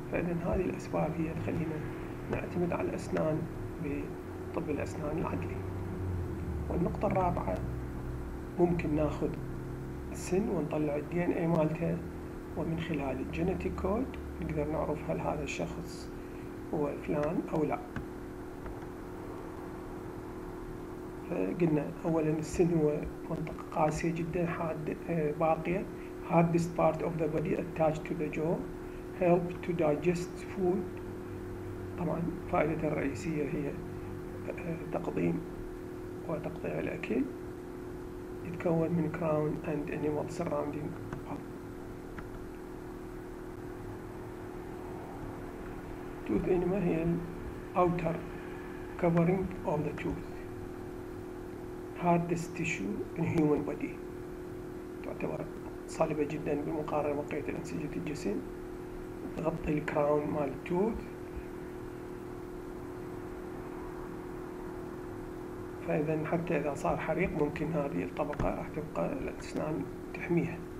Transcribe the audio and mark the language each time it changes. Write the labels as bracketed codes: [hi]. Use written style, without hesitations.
[ar] فإذا هذه الأسباب هي تخلينا نعتمد على الأسنان بطب الأسنان العدلي. والنقطة الرابعة ممكن ناخذ السن ونطلع الـ DNA مالته، ومن خلال الـ Genetic Code نقدر نعرف هل هذا الشخص هو فلان أو لا. فقلنا أولاً السن هو منطقة قاسية جداً حاد باقية، [en] hardest part of the body attached to the jaw help to digest food. [ar] طبعاً فائدة الرئيسية هي تقضيم وتقطيع الأكل. يتكون من [en] crown and enamel surrounding. tooth enamel هي outer covering of the tooth. hardest tissue in human body. [ar] تعتبر صلبة جدا بمقارنة بقية أنسجة الجسم. تغطي الكراون مال التوث. فإذا حتى إذا صار حريق ممكن هذه الطبقة راح تبقى الأسنان تحميها.